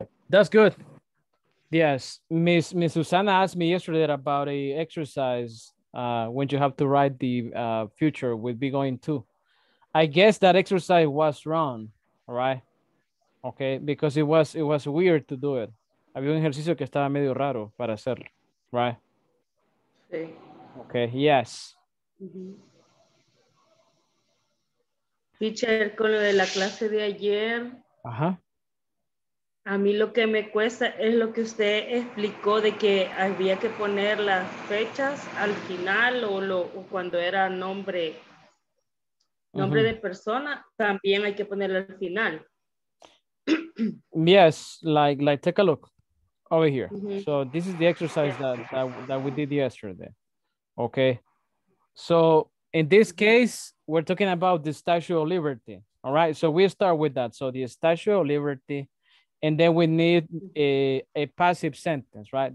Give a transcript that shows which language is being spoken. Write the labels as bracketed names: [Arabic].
[English] That's good. Yes, Miss Susana asked me yesterday about a exercise when you have to write the future with be going to. I guess that exercise was wrong, all right? Okay, because it was weird to do it. [Spanish] Había un ejercicio que estaba medio raro para hacer, [English] right? [Spanish] Sí. [English] Okay, yes. [Spanish] Teacher, con lo de la clase de ayer. Ajá. A mí lo que me cuesta es lo que usted explicó de que había que poner las fechas al final o cuando era nombre uh-huh. de persona, también hay que ponerlo al final. [English] Yes, like take a look over here. Uh-huh. So this is the exercise that we did yesterday. Okay. So in this case, we're talking about the Statue of Liberty. All right. So we start with that. So the Statue of Liberty. And then we need a passive sentence, right?